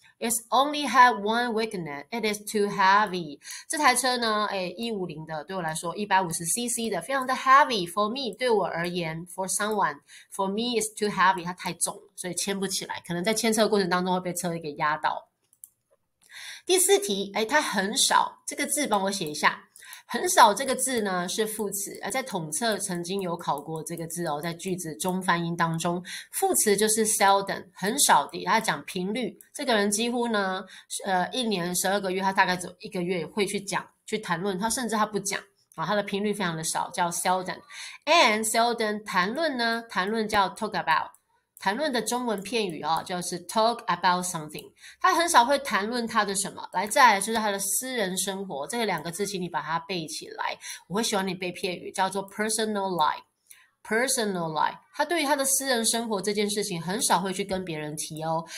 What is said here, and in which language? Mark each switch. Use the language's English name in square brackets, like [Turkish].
[English] It's only had one weakness. It is too heavy. [Chinese] 这台车呢，150的对我来说 ,150cc 的非常的 heavy. [English] For me, [Chinese] 对我而言 [English] ,for someone, for me it's too heavy. [Chinese] 它太重了，所以牵不起来，可能在牵车过程当中会被车给压到。第四题，它很少，这个字帮我写一下。很少这个字呢是副词，而在统测曾经有考过这个字哦，在句子中翻译当中，副词就是 seldom， 很少的，他讲频率，这个人几乎呢，一年十二个月，他大概只有一个月会去讲，去谈论，他甚至他不讲啊，他的频率非常的少，叫 seldom。 [English] And seldom [Chinese] 谈论呢，谈论叫 [English] talk about。 [Chinese] 谈论的中文片语哦，就是 [English] talk about something。 [Chinese] 他很少会谈论他的什么。来，再来就是他的私人生活。这个两个字，请你把它背起来。我会喜欢你背片语，叫做 personal life。 [English] personal life。 [Chinese] 他对于他的私人生活这件事情，很少会去跟别人提哦。